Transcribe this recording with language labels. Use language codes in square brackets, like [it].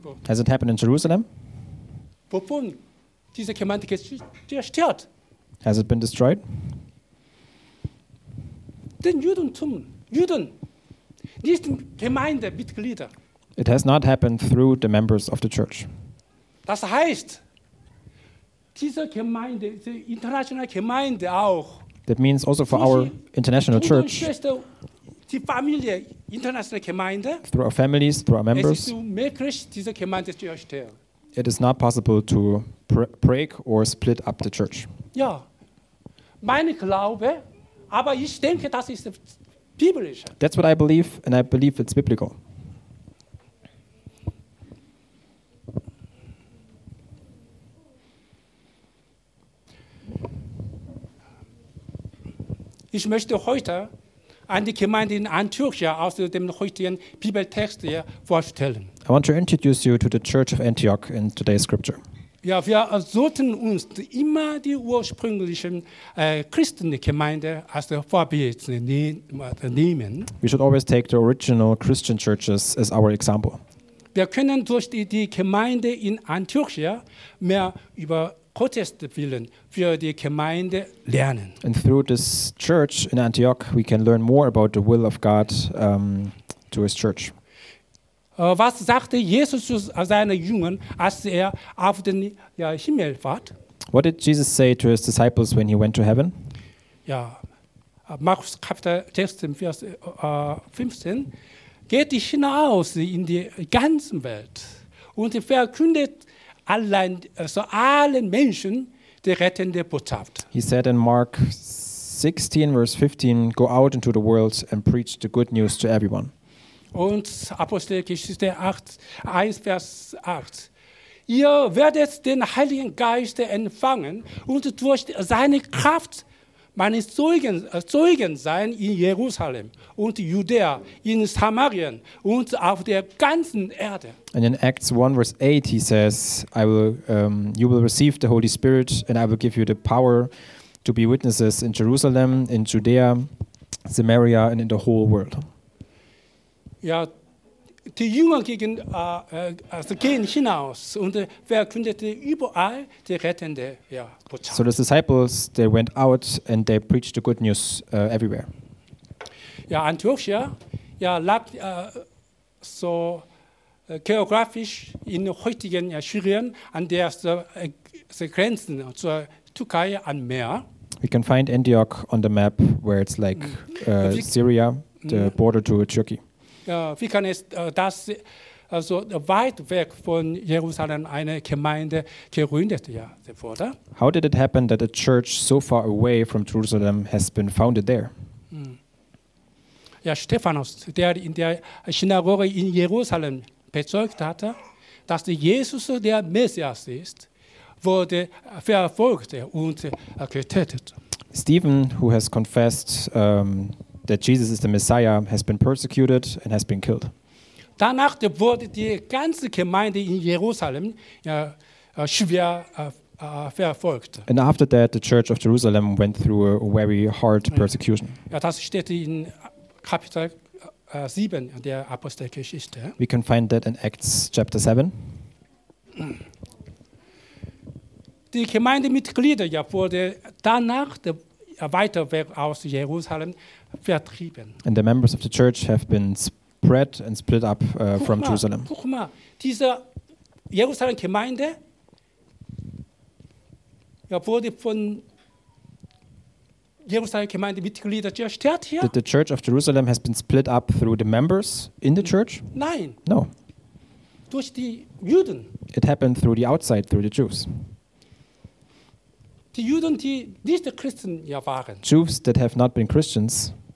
[en] Has it happened in Jerusalem? [de] Wovon diese Gemeinde zerstört? [en] Has it been destroyed? [de] Den Judentum, Juden, nicht Gemeindemitglieder. [en] It has not happened through the members of the church. [de] Das heißt, diese Gemeinde, die internationale Gemeinde auch. [en] That means also for our international church. [de] Die Familie, internationale Gemeinde. [en] Through our families, through our members. [de] Es ist unmöglich, diese Gemeinde zu erstellen. [en] It is not possible to break or split up the church. [de] Ja, mein Glaube. Aber ich denke, das ist biblisch. [en] That's what I believe, and I believe it's biblical. [de] Ich möchte heute an die Gemeinde in Antiochia aus dem heutigen Bibeltext hier vorstellen. [en] I want to introduce you to the Church of Antioch in today's scripture. [de] Ja, wir sollten uns immer die ursprünglichen Christengemeinde als Vorbild nehmen. [en] We should always take the original Christian churches as our example. [de] Wir können durch die Gemeinde in Antiochia mehr über Gottes Willen für die Gemeinde lernen. [en] And through this church in Antioch, we can learn more about the will of God to his church. [de] Was sagte Jesus zu seinen Jüngern, als er auf den Himmel fährt? [en] What did Jesus say to his disciples when he went to heaven? [de] Ja, Markus Kapitel 16, Vers 15. Geht hinaus in die ganze Welt und verkündet allein, also allen Menschen die rettende Botschaft. [en] He said in Mark 16, Vers 15, go out into the world and preach the good news to everyone. [de] Und Apostelgeschichte 8, 1, Vers 8. Ihr werdet den Heiligen Geist empfangen und durch seine Kraft meine Zeugen sein in Jerusalem und Judäa, in Samarien und auf der ganzen Erde. [en] And in Acts 1, Vers 8, he says, I will, you will receive the Holy Spirit and I will give you the power to be witnesses in Jerusalem, in Judäa, Samaria and in the whole world. [de] Ja, die Jünger gehen hinaus und verkündeten überall die rettende Botschaft. [en] So the disciples, they went out and they preached the good news everywhere. [de] Ja, Antiochia ja, lag so geografisch in heutigen Syrien an der Grenze zur Türkei am Meer. [en] We can find Antioch on the map where it's like Syria, the border to Turkey. [de] Wie kann es das also weit weg von Jerusalem eine Gemeinde gegründet wurde? [en] How did it happen that a church so far away from Jerusalem has been founded there? [de] Ja, Stephanus, der in der Synagoge in Jerusalem bezeugt hatte, dass Jesus der Messias ist, wurde verfolgt und getötet. [en] Stephen, who has confessed that Jesus is the Messiah, has been persecuted and has been killed. [de] Danach wurde die ganze Gemeinde in Jerusalem schwer verfolgt. [en] And after that, the Church of Jerusalem went through a very hard persecution. [de] Ja, das steht in Kapitel 7 der Apostelgeschichte. [en] We can find that in Acts chapter 7. [de] Die Gemeindemitglieder wurde danach weiter weg aus Jerusalem vertrieben. [en] And the members of the church have been spread and split up from Jerusalem. [de] Guck mal, diese Jerusalem Gemeinde wurde von Jerusalem Gemeinde Mitglieder zerstört hier. [en] The Church of Jerusalem has been split up through the members in the church? [de] Nein. [en] No. [de] Durch die Juden. [en] It happened through the outside, through the Jews. [de] Die Juden, die nicht Christen waren. [en] Jews that have not been Christians.